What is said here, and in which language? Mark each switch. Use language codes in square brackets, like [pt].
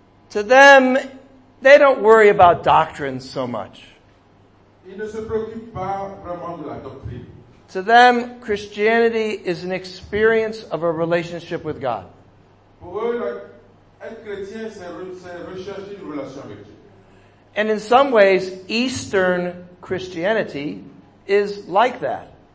[en] To them, they don't worry about doctrine so much. [fr] Ils ne se préoccupent pas vraiment de la doctrine. [en] To them, Christianity is an experience of a relationship with God. [fr] Pour eux, être chrétien, c'est rechercher une relation avec Dieu. [en] And in some ways, Eastern Christianity is like that.